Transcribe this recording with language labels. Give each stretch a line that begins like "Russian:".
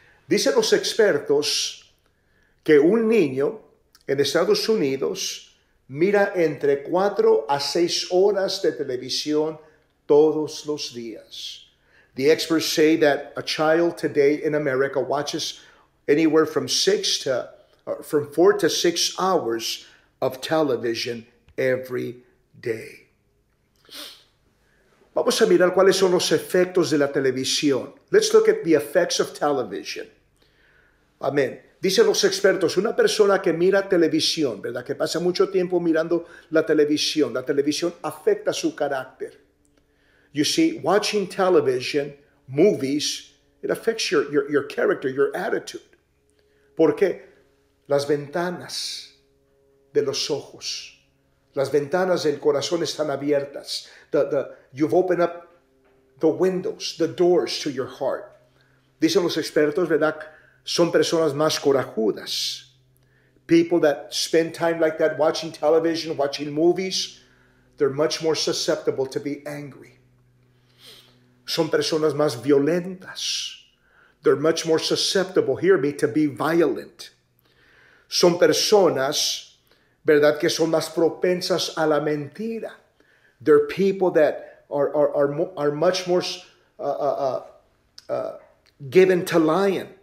Spanish: Dicen los expertos que un niño en Estados Unidos mira entre 4 a 6 horas de televisión todos los días.
English: The experts say that a child today in America watches anywhere from 4 to 6 hours of television every day.
Spanish: Vamos a mirar cuáles son los efectos de la televisión.
English: Let's look at the effects of television.
Spanish: Amén. Dicen los expertos, una persona que mira televisión, ¿verdad? Que pasa mucho tiempo mirando la televisión afecta su carácter.
English: You see, watching television, movies, it affects your character, your attitude.
Spanish: ¿Por qué? Las ventanas de los ojos, las ventanas del corazón están abiertas.
English: You've opened up the windows, the doors to your heart.
Spanish: Dicen los expertos, ¿verdad? Son personas más corajudas.
English: People that spend time like that watching television, watching movies, they're much more susceptible to be angry.
Spanish: Son personas más violentas.
English: They're much more susceptible, hear me, to be violent.
Spanish: Son personas, ¿verdad?, que son más propensas a la mentira.
English: They're people that are much more given to lying.